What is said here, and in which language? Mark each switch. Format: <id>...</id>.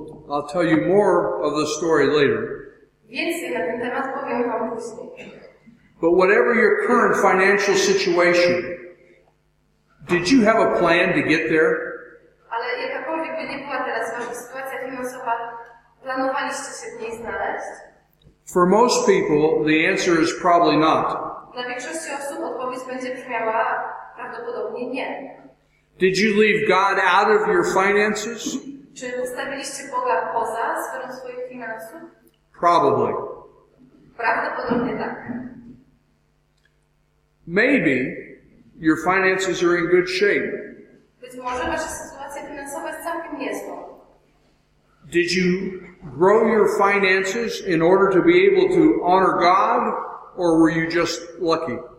<en>I'll tell you more of the story later.</en> <pl>Więcej na ten temat powiem wam później.</pl> <en>But whatever your current financial situation, did you have a plan to get there?</en> <pl>Ale jakakolwiek by nie była teraz wasza sytuacja finansowa, planowaliście się w niej znaleźć?</pl> <en>For most people, the answer is probably not.</en> <pl>Dla większości osób odpowiedź będzie brzmiała prawdopodobnie nie.</pl> <en>Did you leave God out of your finances?</en> <pl>Czy ustawiliście Boga poza sferą swoich finansów?</pl> <en>Probably.</en> <pl>Prawdopodobnie tak.</pl> <en>Maybe your finances are in good shape.</en> <pl>Być może wasza sytuacja finansowa jest całkiem niezła.</pl> <en>Did you grow your finances in order to be able to honor God, or were you just lucky?</en>